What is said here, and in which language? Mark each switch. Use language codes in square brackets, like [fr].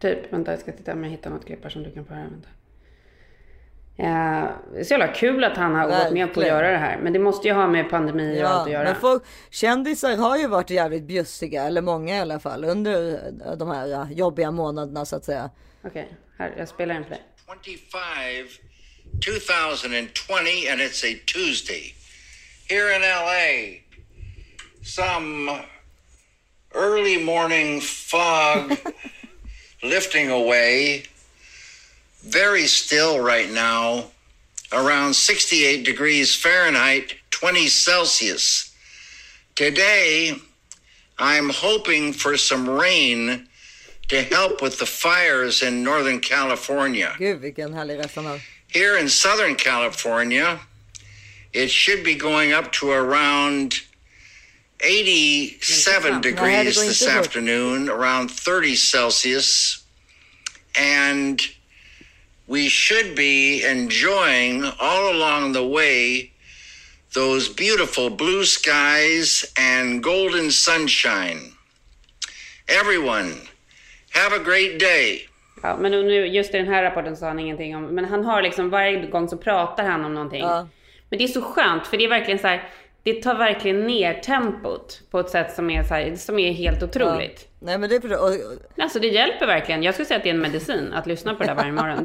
[sv] Vänta, jag ska titta om jag hittar något klipp som du kan få höra. Vänta. Det är så jävla kul att han har varit med på att göra det här. Men det måste ju ha med pandemi och allt att göra. Men kändisar har ju varit jävligt bjussiga, eller många i alla fall, under de här jobbiga månaderna, så att säga. Okej, här, jag spelar en play. [en] 25, 2020, and it's a Tuesday here in LA. Some early morning fog lifting away. Very still right now, around 68 degrees Fahrenheit, 20 Celsius. Today, I'm hoping for some rain to help with the fires in Northern California. [sv] Gud, vilken härlig resonans. [en] Here in Southern California, it should be going up to around 87 degrees this afternoon, around 30 Celsius. And... we should be enjoying all along the way those beautiful blue skies and golden sunshine. Everyone, have a great day. [sv] Ja, men nu just i den här rapporten sa han ingenting om, men han har liksom varje gång så pratar han om någonting. Ja. Men det är så skönt, för det är verkligen så här, det tar verkligen ner tempot på ett sätt som är så här, som är helt otroligt. Ja. Nej, men det är alltså, det hjälper verkligen. Jag skulle säga att det är en medicin att lyssna på det varje morgon.